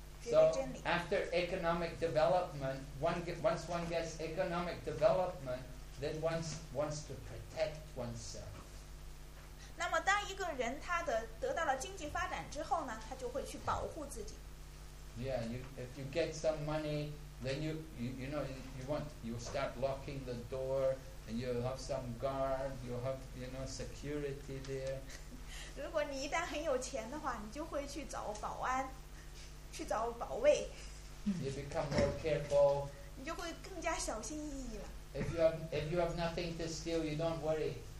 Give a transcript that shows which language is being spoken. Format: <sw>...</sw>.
<en>So after economic development, once one gets economic development, then one wants to protect oneself.</en> <zh>那么当一个人他得到了经济发展之后呢，他就会去保护自己。</zh> <en>Yeah, if you get some money, then you start locking the door, and you have some guard, you have security there.</en> <zh>如果你一旦很有钱的话，你就会去找保安，去找保卫。</zh> <en>You become more careful.</en> <zh>你就会更加小心翼翼了。</zh> <en>If you have nothing to steal, you don't worry.</en>